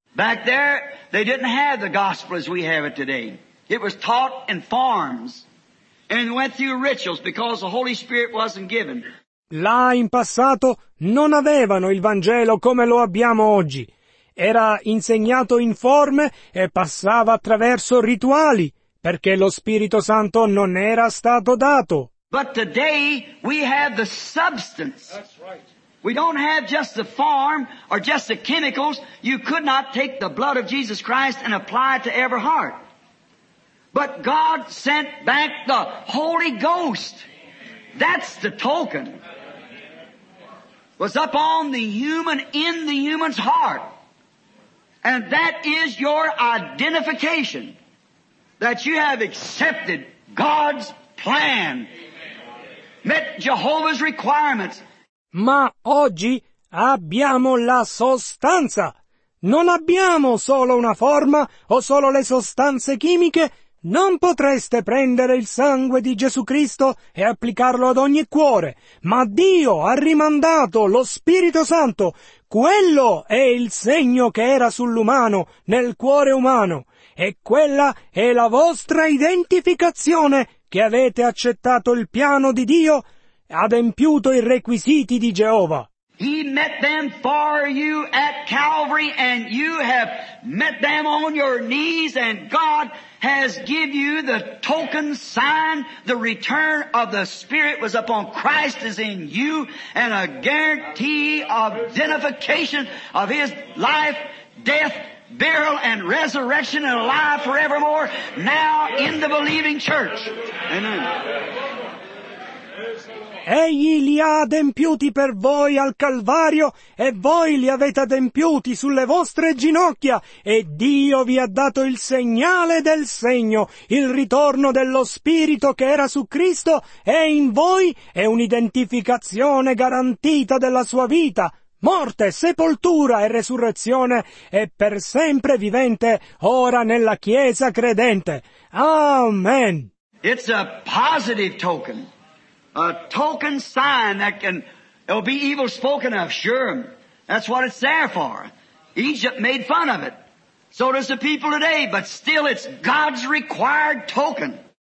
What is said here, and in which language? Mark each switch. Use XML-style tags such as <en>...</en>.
<en>Back there, they didn't have the gospel as we have it today. It was taught in farms and went through rituals because the Holy Spirit wasn't given.</en> <it>Là in passato non avevano il Vangelo come lo abbiamo oggi. Era insegnato in forme e passava attraverso rituali, perché lo Spirito Santo non era stato dato.</it> <en>But today we have the substance. That's right. We don't have just the form or just the chemicals. You could not take the blood of Jesus Christ and apply it to every heart. But God sent back the Holy Ghost. That's the token. Was up on the human, in the human's heart. And that is your identification, that you have accepted God's plan, met Jehovah's requirements.</en> <it>Ma oggi abbiamo la sostanza. Non abbiamo solo una forma o solo le sostanze chimiche. Non potreste prendere il sangue di Gesù Cristo e applicarlo ad ogni cuore, ma Dio ha rimandato lo Spirito Santo. Quello è il segno che era sull'umano, nel cuore umano, e quella è la vostra identificazione che avete accettato il piano di Dio, adempiuto i requisiti di Geova.</it> <en>He met them for you at Calvary, and you have met them on your knees, and God has given you the token sign, the return of the Spirit was upon Christ is in you, and a guarantee of identification of His life, death, burial, and resurrection, and alive forevermore, now in the believing church. Amen.</en> <it>Egli li ha adempiuti per voi al Calvario e voi li avete adempiuti sulle vostre ginocchia e Dio vi ha dato il segnale del segno, il ritorno dello Spirito che era su Cristo e in voi è un'identificazione garantita della sua vita, morte, sepoltura e resurrezione e per sempre vivente ora nella Chiesa credente. Amen.</it> <en>It's a positive token. A token sign that can, it will be evil spoken of, sure. That's what it's there for. Egypt made fun of it. So does the people today, but still it's God's required token.</en>